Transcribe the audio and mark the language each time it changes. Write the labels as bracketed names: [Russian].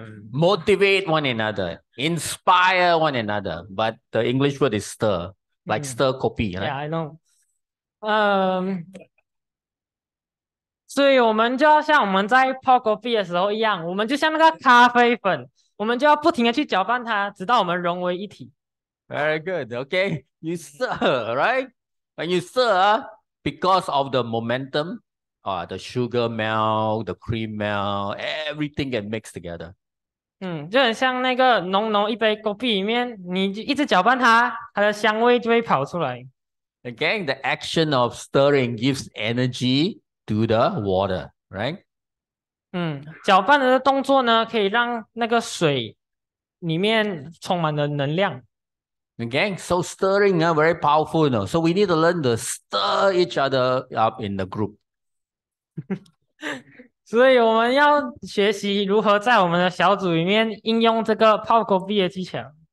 [English] Motivate one another, inspire one another. But the English word is stir, like stir coffee. Right? Yeah, I know. [Chinese] 所以我们就要像我们在 [English] pour coffee [Chinese] 的时候一样，我们就像那个咖啡粉，我们就要不停的去搅拌它，直到我们融为一体。 [English] Very good, okay. You stir, right? When you stir, because of the momentum, the sugar melt, the cream melt, everything get mixed together. [Chinese] 就很像那个浓浓一杯 coffee 里面，你一直搅拌它，它的香味就会跑出来。 [English] Again, the action of stirring gives energy. Do the water, right? [Chinese] 搅拌的动作呢，可以让那个水里面充满了能量。 [English] Okay, so stirring very powerful, you know? So we need to learn to stir each other up in the group. [Chinese] 所以我们要学习如何在我们的小组里面应用这个 [English] pour coffee [Chinese] 的技巧。